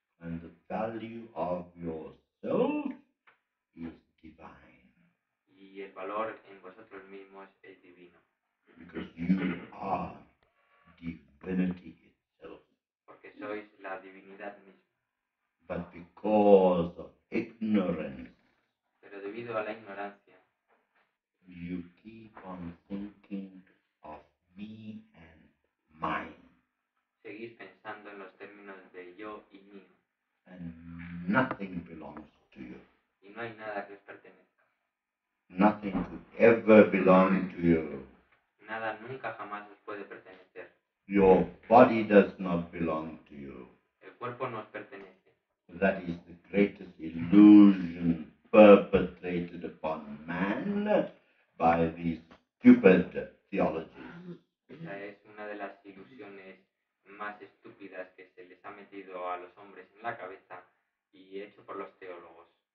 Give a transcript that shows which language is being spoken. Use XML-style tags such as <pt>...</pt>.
<en>And the value of your soul is divine.</en> <es>Y el valor en vosotros mismos es divino.</es> <en>Because you are divinity itself.</en> <es>Porque sois la divinidad misma.</es> <en>But because of ignorance,</en> <es>pero debido a la ignorancia,</es> <en>you keep on thinking me and mine.</en> <es>Seguís pensando en los términos de yo y mío.</es> <en>And nothing belongs to you.</en> <es>Y no hay nada que os pertenezca.</es> <en>Nothing could ever belong to you.</en> <es>Nada nunca jamás os puede pertenecer.</es> <en>Your body does not belong to you.</en> <es>El cuerpo no os pertenece.</es> <en>That is the greatest illusion perpetrated upon man by these stupid theologies.</en> <es>Esa es una de las ilusiones más estúpidas que se les ha metido a los hombres en la cabeza y hecho por los teólogos.</es>